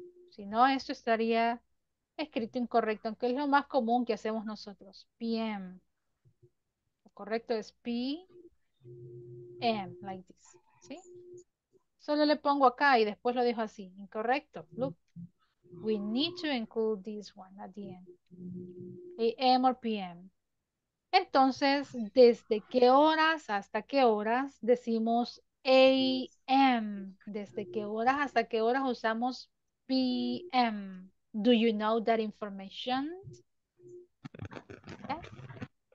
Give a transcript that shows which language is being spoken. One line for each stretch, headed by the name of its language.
Spanish: Si no, esto estaría escrito incorrecto, aunque es lo más común que hacemos nosotros. PM. Lo correcto es PM,
English: like this.
Spanish: ¿Sí? Solo le pongo acá y después lo dejo así. Incorrecto.
English: Look. We need to include this one at the end. AM or PM.
Spanish: Entonces, ¿desde qué horas hasta qué horas decimos AM? ¿Desde qué horas hasta qué horas usamos PM?
English: Do you know that information?
Spanish: ¿Eh?